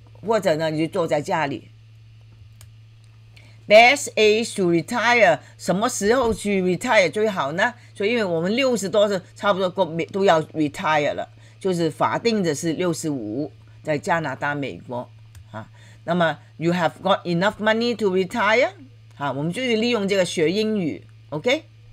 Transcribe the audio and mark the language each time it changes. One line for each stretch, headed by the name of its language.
Chinese: 或者呢，你就坐在家里。
English: Best age to retire，
Chinese: 什么时候去 retire 最好呢？所以，因为我们六十多岁，差不多都要 retire 了，就是法定的是65，在加拿大、美国啊。
English: 那么 ，you have got enough money to retire？
Chinese: 我们就是利用这个学英语 ，OK？